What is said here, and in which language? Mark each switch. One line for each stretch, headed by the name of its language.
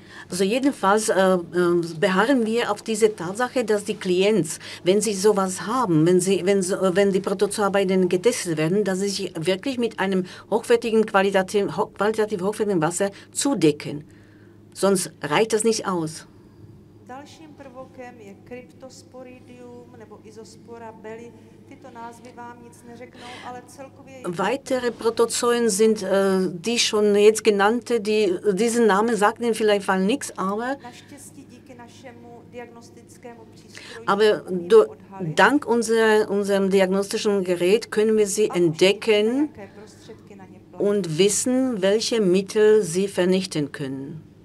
German: also jedenfalls beharren wir auf diese Tatsache, dass die Klienten, wenn sie sowas haben, wenn die Protozoa bei denen getestet werden, dass sie sich wirklich mit einem qualitativ hochwertigen Wasser zudecken. Sonst reicht das nicht aus.
Czech: Dalším prvokem je Cryptosporidium nebo Isospora belli. Tyto názvy vám nic neřeknou, ale celkově...
German: Weitere Protozoen sind die schon jetzt genannte, diesen Namen sagt Ihnen vielleicht nichts, aber...
Czech: Naštěstí díky našemu diagnostickému přístroji...
German: Aber dank unserem diagnostischen Gerät können wir sie entdecken und wissen, welche Mittel sie vernichten können.